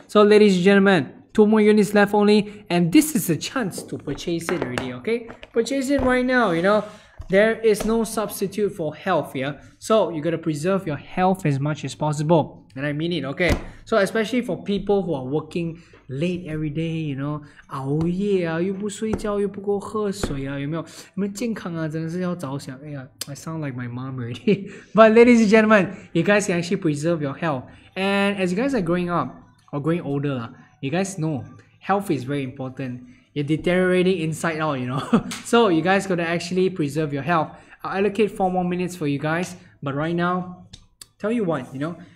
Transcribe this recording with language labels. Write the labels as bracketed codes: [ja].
[en] So ladies and gentlemen, two more units left only, and this is a chance to purchase it already, okay? Purchase it right now, you know? There is no substitute for health, yeah? So, you gotta preserve your health as much as possible. And I mean it, okay? So, especially for people who are working late every day, you know? [zh] 熬夜啊,又不睡觉,又不够喝水啊,有没有? 你们健康啊,真的是要着想。 [en] 哎呀, I sound like my mom already. But ladies and gentlemen, you guys can actually preserve your health. And as you guys are growing up, or growing older, you guys know, health is very important. You're deteriorating inside out, you know. So you guys gotta actually preserve your health. I'll allocate 4 more minutes for you guys. But right now, tell you what, you know.